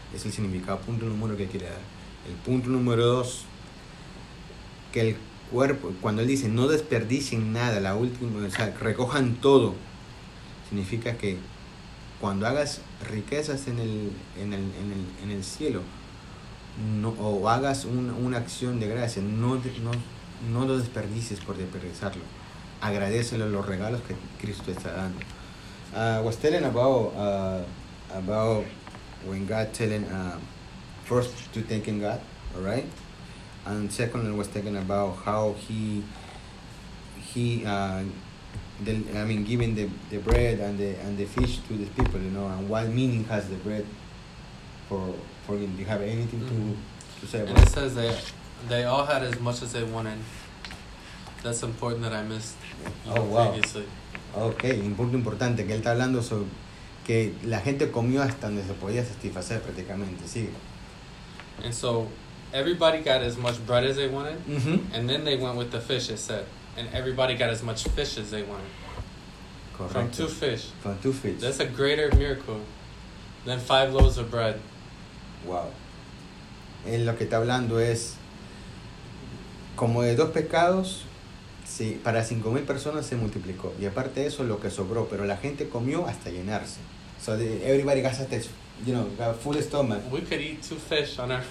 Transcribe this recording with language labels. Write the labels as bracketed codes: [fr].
[es] Es el significado, punto número que quiere dar. El punto número 2, que el cuerpo, cuando Él dice, no desperdicien nada, la última, o sea, recojan todo, significa que cuando hagas riquezas en el cielo, no, o hagas una acción de gracia, no lo desperdicies por desperdiciarlo. Agradecelo los regalos que Cristo está dando. [en] Was telling about when God telling first to thank in God, all right, and second I was talking about how he giving the bread and the fish to the people, you know, and what meaning has the bread for him? Do you have anything to say about? And it says that they all had as much as they wanted. That's important that I missed. Oh, wow. [es] Okay, importante que él está hablando sobre que la gente comió hasta donde se podía satisfacer prácticamente, sí. [en] And so everybody got as much bread as they wanted, and then they went with the fish, it said. And everybody got as much fish as they wanted. [es] Correcto. [en] From two fish. That's a greater miracle than 5 loaves of bread. Wow. [es] En lo que está hablando es como de 2 pescados. Sí, para 5,000 personas se multiplicó. Y aparte de eso, lo que sobró. Pero la gente comió hasta llenarse. [en] So, everybody got satisfied. you know, got a full stomach. We could eat two fish on our